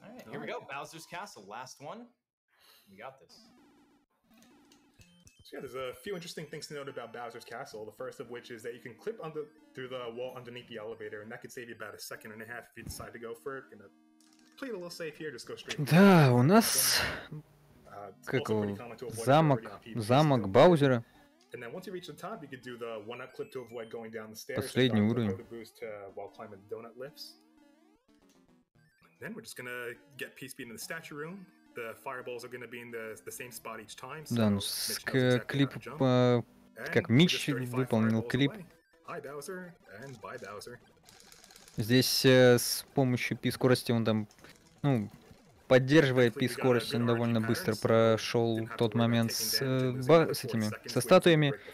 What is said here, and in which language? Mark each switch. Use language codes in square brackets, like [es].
[en] Here we go, Bowser's Castle, last one. We got this. So yeah, there's a few interesting things to note about Bowser's Castle. The first of which is that you can clip through the wall underneath the elevator, and that could save you about a second and a half if you decide to go for it. Gonna play it a little safe here, just go straight. [ru] Да, у нас как замок Баузера. [en] And then once you reach the top, you could do the one-up clip to avoid going down the stairs. [ru] Последний уровень. [en] Boost while climbing the donut lifts. Then we're just gonna get PSP into the statue room. The fireballs are gonna be in the same spot each time. So [ru] да, ну, клип, как Митч выполнил клип. [en] Hi, Bowser, and bye, Bowser. [ru] Здесь с помощью пи-скорости он там, ну, поддерживая пи-скорость, он довольно быстро прошел тот момент с этими, со статуями.